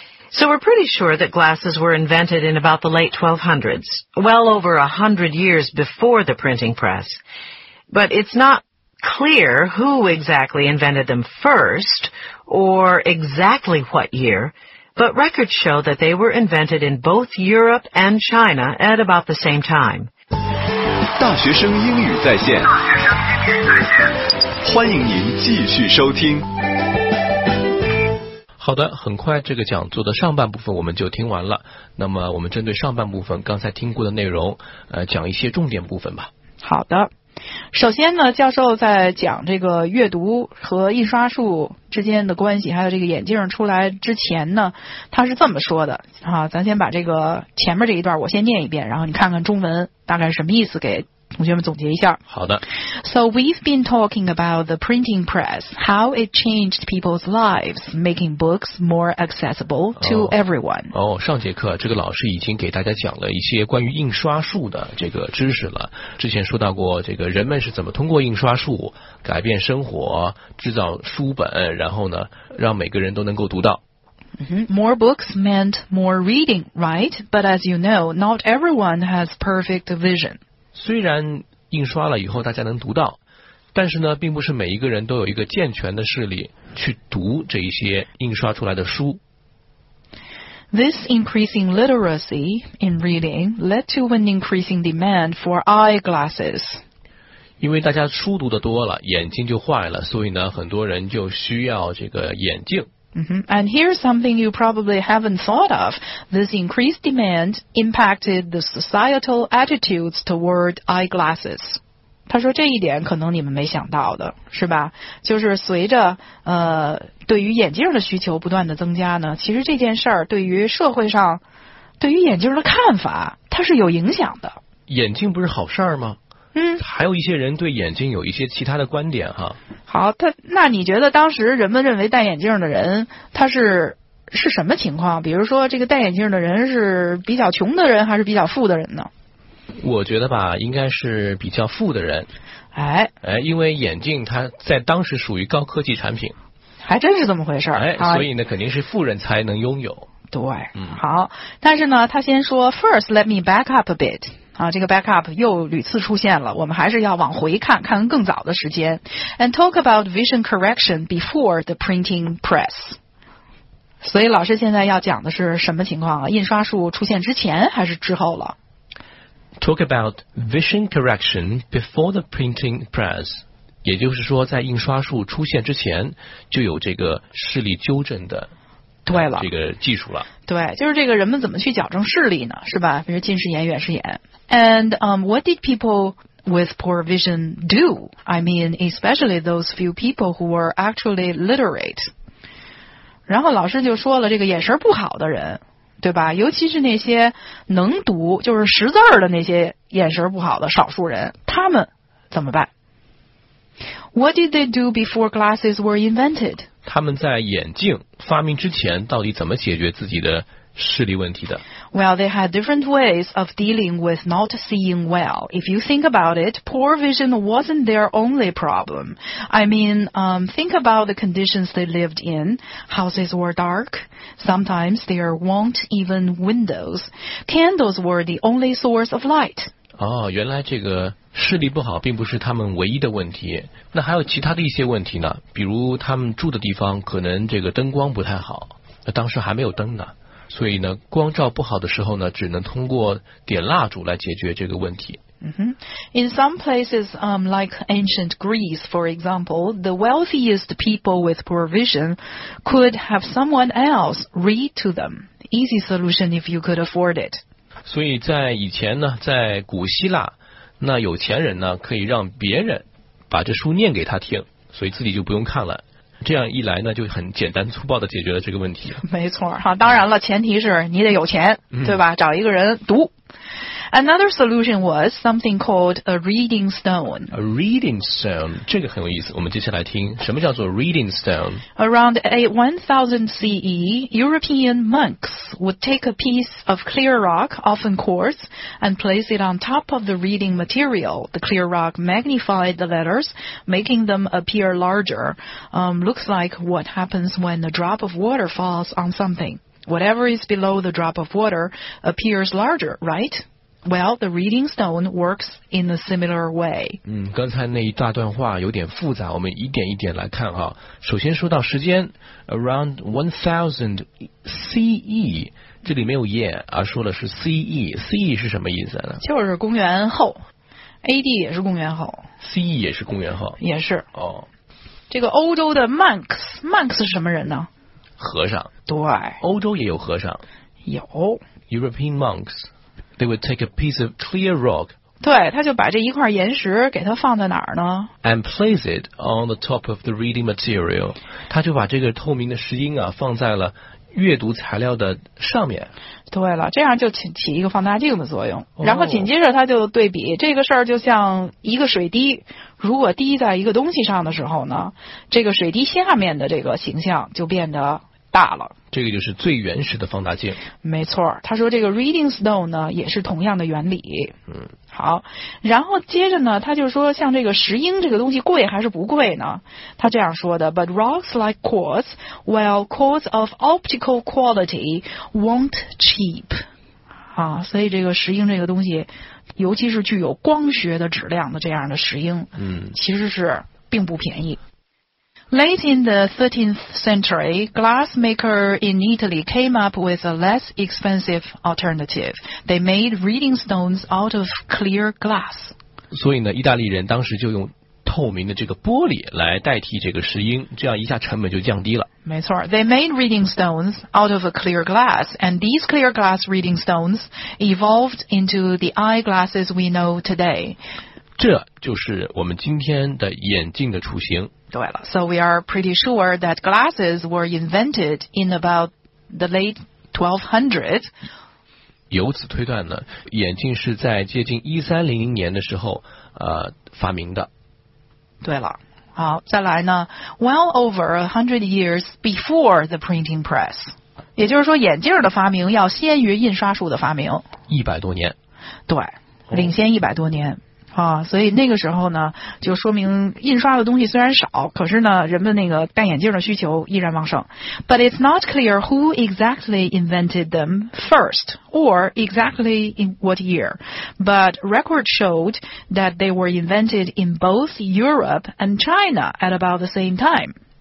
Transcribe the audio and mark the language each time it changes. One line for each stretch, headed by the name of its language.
English: So we're pretty sure that glasses were invented in about the late 1200s, well over 100 years before the printing press. But it's not... clear who exactly invented them first or exactly what year, but records show that they were invented in both Europe and China at about the same time.
Chinese: 大学生英语在线，欢迎您继续收听。好的，很快这个讲座的上半部分我们就听完了。那么我们针对上半部分刚才听过的内容，讲一些重点部分吧。好的。首先呢，教授在讲这个阅读和印刷术之间的关系，还有这个眼镜出来之前呢，他是这么说的啊，咱先把这个前面这一段我先念一遍，然后你看看中文大概是什么意思，给同学们总结一下。好的。
English: So we've been talking about the printing press, how it changed people's lives, making books more accessible to everyone.
Chinese: 哦，上节课这个老师已经给大家讲了一些关于印刷术的这个知识了。之前说到过，这个人们是怎么通过印刷术改变生活，制造书本，然后呢，让每个人都能够读到。
English: More books meant more reading, right? But as you know, not everyone has perfect vision.
Chinese: 虽然印刷了以后大家能读到，但是呢并不是每一个人都有一个健全的视力去读这一些印刷出来的书。
English: This increasing literacy in reading led to an increasing demand for eyeglasses.
Chinese: 因为大家书读的多了，眼睛就坏了，所以呢，很多人就需要这个眼镜。 Mm-hmm.
English: And here's something you probably haven't thought of. This increased demand impacted the societal attitudes toward eyeglasses.
Chinese: 他说这一点可能你们没想到的，是吧？就是随着对于眼镜的需求不断的增加呢，其实这件事儿对于社会上对于眼镜的看法，它是有影响的。眼镜不是好事儿吗？嗯，还有一些人对眼镜有一些其他的观点哈。好，那你觉得当时人们认为戴眼镜的人他是什么情况？比如说这个戴眼镜的人是比较穷的人还是比较富的人呢？我觉得吧，应该是比较富的人。哎，因为眼镜它在当时属于高科技产品。还真是这么回事儿。哎，所以呢，肯定是富人才能拥有。对，好，但是呢，他先说 ，
English: First, let me back up a bit。
Chinese: 啊，这个 back up 又屡次出现了，我们还是要往回看看更早的时间
English: and talk about vision correction before the printing press。
Chinese: 所以老师现在要讲的是什么情况啊？印刷术出现之前还是之后了？
English: Talk about vision correction before the printing press，
Chinese: 也就是说在印刷术出现之前就有这个视力纠正的对了这个技术了。对，就是这个人们怎么去矫正视力呢，是吧？比如近视眼远视眼。
English: And what did people with poor vision do? I mean, especially those few people who were actually literate.
Chinese: 然后老师就说了这个眼神不好的人，对吧？尤其是那些能读就是识字儿的那些眼神不好的少数人，他们怎么办？
English: What did they do before glasses were invented?
Chinese: 他们在眼镜发明之前到底怎么解决自己的视力问题的？
English: Well, they had different ways of dealing with not seeing well. If you think about it, poor vision wasn't their only problem. I mean, think about the conditions they lived in. Houses were dark. Sometimes there weren't even windows. Candles were the only source of light.
Chinese: 哦，原来这个视力不好并不是他们唯一的问题。那还有其他的一些问题呢？比如他们住的地方可能这个灯光不太好，当时还没有灯呢。所以呢，光照不好的时候呢，只能通过点蜡烛来解决这个问题。 Mm-hmm.
English: In some places, like ancient Greece, for example, the wealthiest people with poor vision could have someone else read to them. Easy solution if you could afford it.
Chinese: 所以在以前呢，在古希腊，那有钱人呢，可以让别人把这书念给他听，所以自己就不用看了。这样一来呢，就很简单粗暴地解决了这个问题。没错哈，当然了，前提是你得有钱，对吧？找一个人读。
English: Another solution was something called a reading stone.
Chinese: A reading stone， 这个很有意思。我们接下来听，什么叫做 reading stone？
English: Around 1000 CE, European monks would take a piece of clear rock, often quartz, and place it on top of the reading material. The clear rock magnified the letters, making them appear larger. Looks like what happens when a drop of water falls on something. Whatever is below the drop of water appears larger, right? Well, the reading stone works in a similar way.
Chinese: 刚才那一大段话有点复杂，我们一点一点来看哈。首先说到时间 ，
English: around 1000 CE，
Chinese: 这里没有 ye， 而说的是 CE。 CE 是什么意思呢？就是公元后 ，AD 也是公元后，CE 也是公元后，也是。哦，这个欧洲的 monks 是什么人呢？和尚。对，欧洲也有和尚。有。
English: European monks. They would take a piece of clear rock.
Chinese: 对，他就把这一块岩石给它放在哪儿呢
English: ？And place it on the top of the reading material.
Chinese: 他就把这个透明的石英啊放在了阅读材料的上面。对了，这样就起一个放大镜的作用。 Oh. 然后紧接着他就对比这个事儿，就像一个水滴，如果滴在一个东西上的时候呢，这个水滴下面的这个形象就变得。大了，这个就是最原始的放大镜。没错，他说这个 reading stone 呢也是同样的原理。好，然后接着呢，他就说像这个石英这个东西贵还是不贵呢？他这样说的
English: ：But rocks like quartz, while quartz of optical quality, won't cheap。
Chinese: 啊，所以这个石英这个东西，尤其是具有光学的质量的这样的石英，其实是并不便宜。
English: Late in the 13th century, glassmaker in Italy came up with a less expensive alternative. They made reading stones out of clear glass.
Chinese: 所以呢，意大利人当时就用透明的这个玻璃来代替这个石英，这样一下成本就降低了。没错，
English: they made reading stones out of a clear glass, and these clear glass reading stones evolved into the eyeglasses we know today.
Chinese: 这就是我们今天的眼镜的雏形。对了，
English: so we are pretty sure that glasses were invented in about the late 1200s.
Chinese: 由此推断呢，眼镜是在接近1300年的时候发明的。对了，好，再来呢，
English: well over 100 years before the printing press.
Chinese: 也就是说眼镜的发明要先于印刷术的发明。 100多年。对，领先100多年。所以那个时候呢，就说明印刷的东西虽然少，可是呢，人们那个戴眼镜的需求依然旺盛。
English: But it's not clear who exactly invented them first, or exactly in what year. But records showed that they were invented in both Europe and China at about the same time.